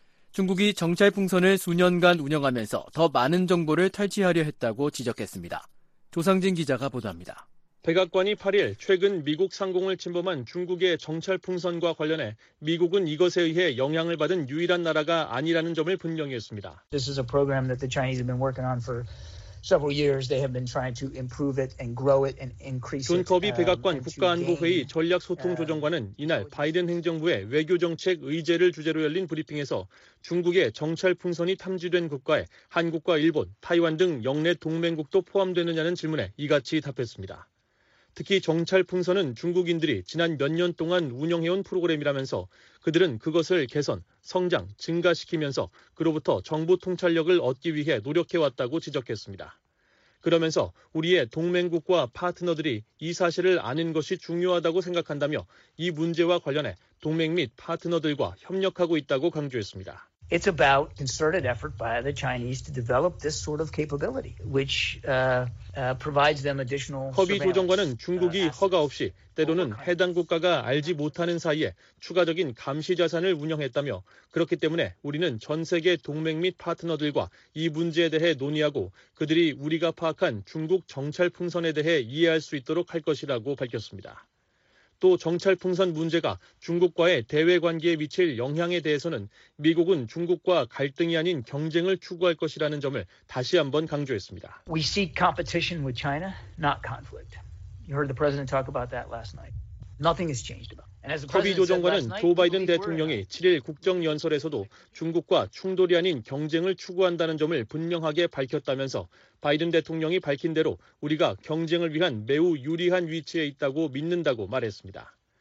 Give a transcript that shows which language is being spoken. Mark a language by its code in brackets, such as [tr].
[ko] 중국이 정찰 풍선을 수년간 운영하면서 더 많은 정보를 탈취하려 했다고 지적했습니다. 조상진 기자가 보도합니다. 백악관이 8일 최근 미국 상공을 침범한 중국의 정찰 풍선과 관련해 미국은 이것에 의해 영향을 받은 유일한 나라가 아니라는 점을 분명히 했습니다. [en] This is a program that the Chinese have been working on for several years. They have been trying to improve it and grow it and increase it. [ko] 존 커비 백악관 국가안보회의 전략소통조정관은 이날 바이든 행정부의 외교정책 의제를 주제로 열린 브리핑에서 중국의 정찰 풍선이 탐지된 국가에 한국과 일본, 타이완 등 영내 동맹국도 포함되느냐는 질문에 이같이 답했습니다. 특히 정찰 풍선은 중국인들이 지난 몇 년 동안 운영해온 프로그램이라면서 그들은 그것을 개선, 성장, 증가시키면서 그로부터 정보 통찰력을 얻기 위해 노력해왔다고 지적했습니다. 그러면서 우리의 동맹국과 파트너들이 이 사실을 아는 것이 중요하다고 생각한다며 이 문제와 관련해 동맹 및 파트너들과 협력하고 있다고 강조했습니다. [en] It's about concerted effort by the Chinese to develop this sort of capability, which provides them additional. [ko] 허비 조정관은 중국이 허가 없이 때로는 해당 국가가 알지 못하는 사이에 추가적인 감시 자산을 운영했다며 그렇기 때문에 우리는 전 세계 동맹 및 파트너들과 이 문제에 대해 논의하고 그들이 우리가 파악한 중국 정찰 풍선에 대해 이해할 수 있도록 할 것이라고 밝혔습니다. 또 정찰 풍선 문제가 중국과의 대외 관계에 미칠 영향에 대해서는 미국은 중국과 갈등이 아닌 경쟁을 추구할 것이라는 점을 다시 한번 강조했습니다. [en] We seek competition with China, not conflict. You heard the president talk about that last night. Nothing has changed about. [ko] 허비 조정관은 조 바이든 대통령이 7일 국정연설에서도 중국과 충돌이 아닌 경쟁을 추구한다는 점을 분명하게 밝혔다면서 바이든 대통령이 밝힌 대로 우리가 경쟁을 위한 매우 유리한 위치에 있다고 믿는다고 말했습니다.